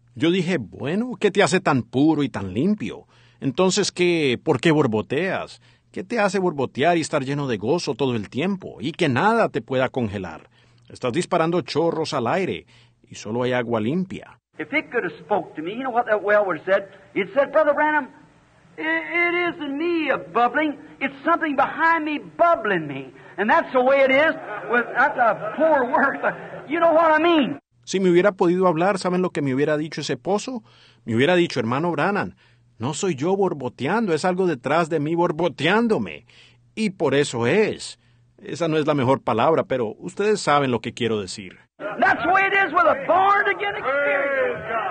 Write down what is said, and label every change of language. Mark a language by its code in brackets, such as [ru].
[es] Yo dije, bueno, ¿qué te hace tan puro y tan limpio? Entonces, ¿qué? ¿Por qué borboteas? ¿Qué te hace borbotear y estar lleno de gozo todo el tiempo y que nada te pueda congelar? Estás disparando chorros al aire y solo hay agua limpia. [en] If it could have spoke to me, you know what that well was said? It said, Brother Branham, it isn't me bubbling. It's something behind me bubbling me. And that's the way it is. That's a poor word, but you know what I mean. [es] Si me hubiera podido hablar, ¿saben lo que me hubiera dicho ese pozo? Me hubiera dicho, hermano Branham, no soy yo borboteando, es algo detrás de mí borboteándome. Y por eso es. Esa no es la mejor palabra, pero ustedes saben lo que quiero decir. [en] That's the way it is with a born again experience.